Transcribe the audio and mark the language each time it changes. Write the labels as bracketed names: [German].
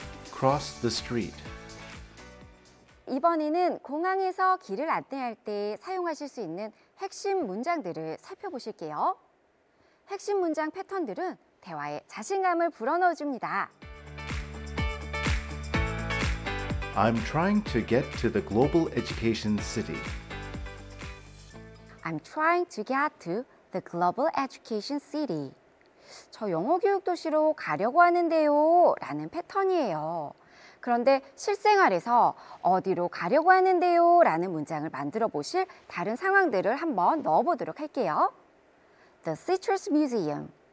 [English] Cross the street. [Korean] 이번에는 공항에서 길을 안내할 때 사용하실 수 있는 핵심 문장들을 살펴보실게요. 핵심 문장 패턴들은 대화에 자신감을 불어넣어줍니다. [English] I'm trying to get to the global education city. I'm trying to get to the global education city. [Korean] 저 영어 교육 도시로 가려고 하는데요 라는 패턴이에요. 그런데 실생활에서 어디로 가려고 하는데요 라는 문장을 만들어 보실 다른 상황들을 한번 넣어보도록 할게요. [English] The Citrus Museum.